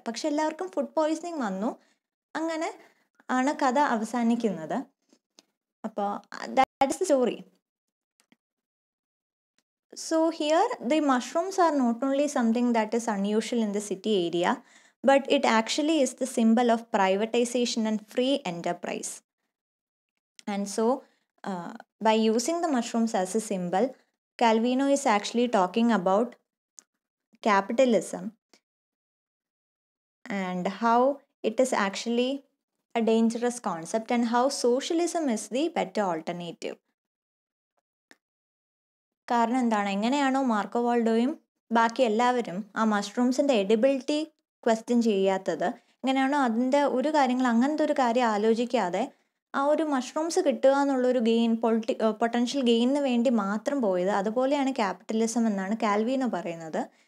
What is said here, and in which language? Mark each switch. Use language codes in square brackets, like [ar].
[ml] പക്ഷെ എല്ലാവർക്കും food poisoning വന്നു. അങ്ങനെ ആണ് കഥ അവസാനിക്കുന്നത്. അപ്പോൾ [en] That is the story. So here the mushrooms are not only something that is unusual in the city area, but it actually is the symbol of privatisation and free enterprise. And so, by using the mushrooms as a symbol, Calvino is actually talking about capitalism and how it is actually a dangerous concept and how socialism is the better alternative. [ml] കാരണം എന്താണ്, എങ്ങനെയാണോ Marco വാൾഡോയും ബാക്കി എല്ലാവരും ആ മഷ്റൂംസിൻ്റെ എഡിബിലിറ്റി question ചെയ്യാത്തത്, എങ്ങനെയാണോ അതിൻ്റെ ഒരു കാര്യങ്ങൾ അങ്ങനത്തെ ഒരു കാര്യം ആലോചിക്കാതെ ആ ഒരു മഷ്റൂംസ് കിട്ടുക എന്നുള്ളൊരു ഗെയിൻ, പൊട്ടൻഷ്യൽ ഗെയിനിന് വേണ്ടി മാത്രം പോയത്, അതുപോലെയാണ് ക്യാപിറ്റലിസം എന്നാണ് കാൽവിനോ പറയുന്നത്.